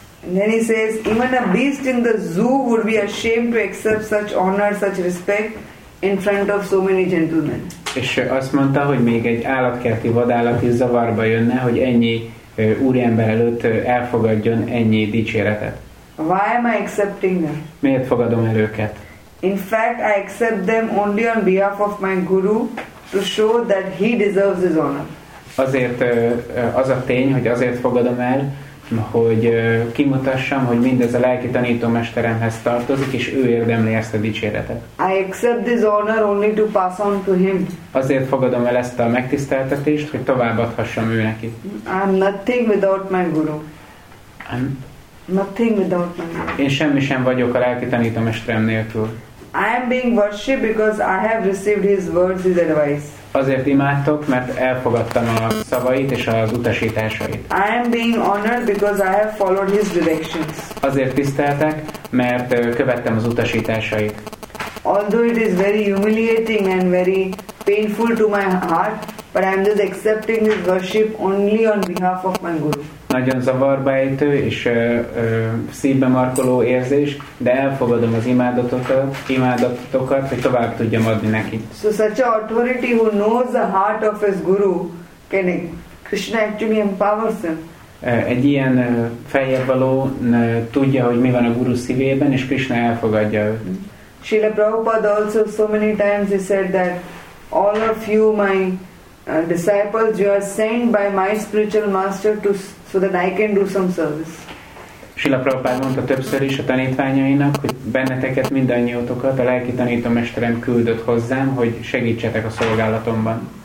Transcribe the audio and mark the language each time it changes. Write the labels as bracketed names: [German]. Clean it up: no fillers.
[English] And then he says, even a beast in the zoo would be ashamed to accept such honor, such respect in front of so many gentlemen. [Hungarian] És azt mondta, hogy még egy állatkerti vadállat is zavarba jönne, hogy ennyi úriember előtt elfogadjon ennyi dicséretet. [English] Why am I accepting them? [Hungarian] Miért fogadom el őket? [English] In fact, I accept them only on behalf of my guru to show that he deserves his honor. [Hungarian] Azért az a tény, hogy azért fogadom el, hogy kimutassam, hogy mindez a lelki tanítómesteremhez tartozik, és ő érdemli ezt a dicséretet. [English] I accept this honor only to pass on to him. [Hungarian] Azért fogadom el ezt a megtiszteltetést, hogy továbbadhassam ő neki. [English] I'm nothing without my guru. Nothing without my guru. [Hungarian] Én semmi sem vagyok a lelki tanítómesterem nélkül. [English] I am being worshipped because I have received his words, his advice. [Hungarian] Azért imádtok, mert elfogadtam a szavait és az utasításait. [English] I am being honored because I have followed his directions. [Hungarian] Azért tiszteltek, mert követtem az utasításait. [English] Although it is very humiliating and very painful to my heart, but I am just accepting his worship only on behalf of my guru. [Hungarian] Nagyon zavarba ejtő és szívbe markoló érzés, de elfogadom az imádatotokat, hogy tovább tudjam adni neki. [English] So such a authority who knows the heart of his guru, can Krishna actually empowers him. [Hungarian] Egy ilyen feljebbvaló tudja, hogy mi van a guru szívében, és Krishna elfogadja őt. [English] Srila Prabhupada also so many times he said that all of you, my disciples, you are sent by my spiritual master to so that I can do some service. [Hungarian] Srila Prabhupada mondta többször is a tanítványainak, hogy benneteket, mindannyiótokat a lelki tanítómesterem küldött hozzám, hogy segítsetek a szolgálatomban.